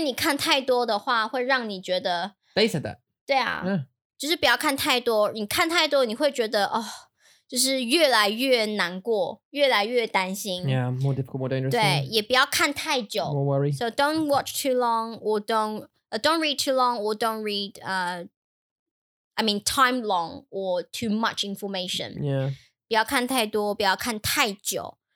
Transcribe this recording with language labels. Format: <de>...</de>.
<zh>因为你看太多的话会让你觉得</zh> <en>They said that.</en> <zh>对啊，就是不要看太多，你看太多你会觉得 oh, 就是越来越难过，越来越担心。</zh> <en>Yeah, more difficult, more dangerous.</en> <zh>对，也不要看太久。</zh> <en>More worry. So don't watch too long or don't read too long or don't read, time long or too much information. Yeah.</en> <zh>不要看太多，不要看太久。</zh>